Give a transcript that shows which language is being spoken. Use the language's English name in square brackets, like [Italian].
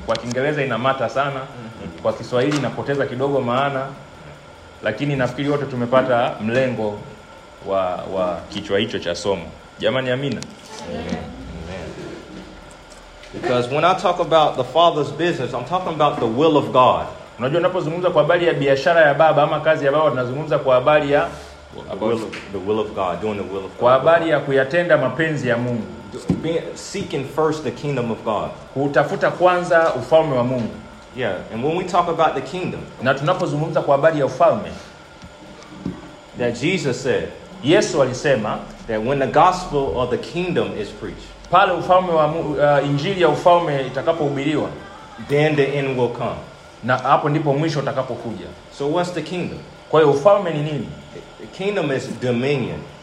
[Swahili] Kwa Kiingereza inamata sana. Kwa Kiswahili inapoteza kidogo maana. Lakini nafikiri wote tumepata mlengo wa kichwa hicho cha somo. Jamani amina. [English] Amen. Because when I talk about the Father's business, I'm talking about the will of God. [Swahili] Unajua ninapozungumza kwa habari ya biashara ya Baba ama kazi ya Baba tunazungumza kwa habari ya [English] the will of God, doing the will of God. [Swahili] Kwa habari ya kuyatenda mapenzi ya Mungu. [English] Seeking first the kingdom of God. [Swahili] Kutafuta kwanza ufalme wa Mungu. [English] Yeah, and when we talk about the kingdom, [Swahili] na tunapozungumza kwa habari ya ufalme, [English] that Jesus said, [Swahili] Yesu alisema, [English] that when the gospel of the kingdom is preached, [Swahili] pale ufalme wa injili ya ufalme itakapohubiriwa, [English] then the end will come. [Swahili] Na hapo ndipo mwisho utakapokuja. [English] So what's the kingdom? [Swahili] Kwa hiyo ufalme ni nini? [English] The kingdom is dominion.